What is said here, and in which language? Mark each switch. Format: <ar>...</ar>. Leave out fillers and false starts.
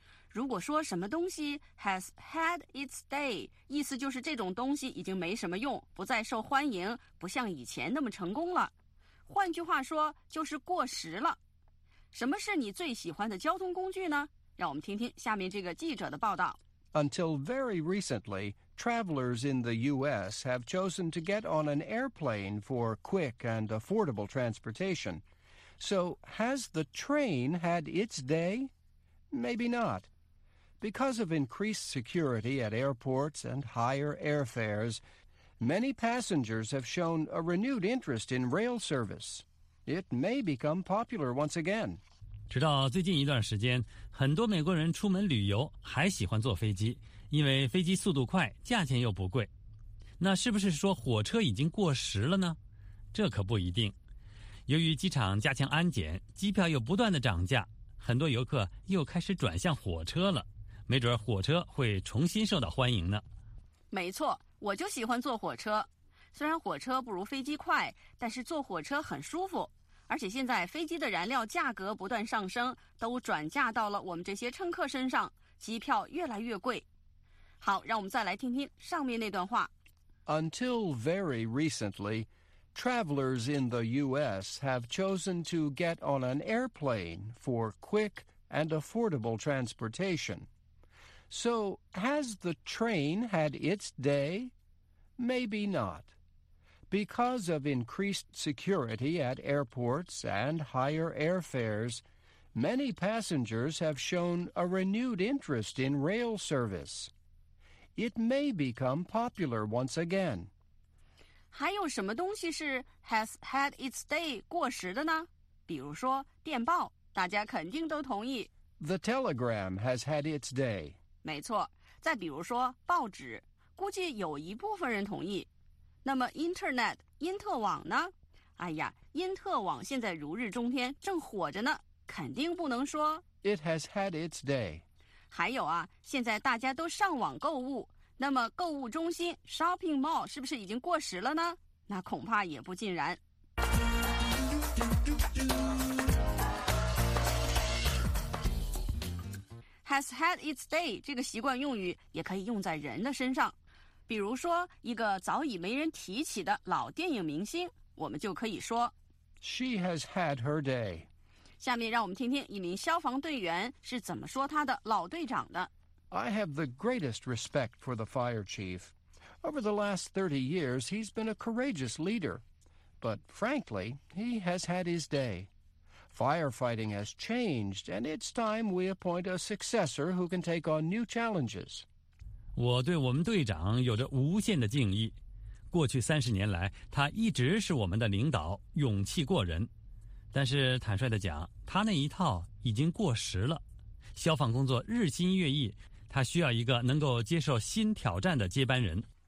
<zh>如果说什么东西</zh> <en>Has had its day，</en> <zh>意思就是这种东西已经没什么用，不再受欢迎，不像以前那么成功了，换句话说就是过时了。什么是你最喜欢的交通工具呢？让我们听听下面这个记者的报道。</zh> <en>Until very recently, travelers in the U.S. have chosen to get on an airplane for quick and affordable transportation. So, has the train had its day? Maybe not. Because of increased security at airports and higher airfares, many passengers have shown a renewed interest in rail service. It may become popular once again.</en> <zh>直到最近一段时间，很多美国人出门旅游还喜欢坐飞机，因为飞机速度快，价钱又不贵。那是不是说火车已经过时了呢？这可不一定。由于机场加强安检，机票又不断的涨价，很多游客又开始转向火车了。没准火车会重新受到欢迎呢。没错，我就喜欢坐火车。虽然火车不如飞机快，但是坐火车很舒服。而且现在飞机的燃料价格不断上升，都转嫁到了我们这些乘客身上，机票越来越贵。好，让我们再来听听上面那段话。</zh> <en>Until very recently, travelers in the U.S. have chosen to get on an airplane for quick and affordable transportation. So, has the train had its day? Maybe not. Because of increased security at airports and higher airfares, many passengers have shown a renewed interest in rail service. It may become popular once again.</en> <zh>还有什么东西是</zh> <en>has had its day</en> <zh>过时的呢？比如说电报，大家肯定都同意。</zh> <en>The telegram has had its day.</en> <zh>没错，再比如说报纸，估计有一部分人同意。那么 Internet 因特网呢？哎呀，因特网现在如日中天，正火着呢，肯定不能说</zh> <en>It has had its day.</en> <zh>还有啊，现在大家都上网购物，那么购物中心</zh> <en>Shopping Mall</en> <zh>是不是已经过时了呢？那恐怕也不尽然。</zh> <en>Has had its day</en> <zh>这个习惯用语也可以用在人的身上。比如说一个早已没人提起的老电影明星，我们就可以说</zh> <en>She has had her day.</en> <zh>下面让我们听听一名消防队员是怎么说他的老队长的。</zh> <en>I have the greatest respect for the fire chief. Over the last 30 years, he's been a courageous leader. But frankly, he has had his day. Firefighting has changed, and it's time we appoint a successor who can take on new challenges.</en> <zh>我对我们队长有着无限的敬意，过去三十年来他一直是我们的领导，勇气过人，但是坦率地讲，他那一套已经过时了。消防工作日新月异，他需要一个能够接受新挑战的接班人。</zh>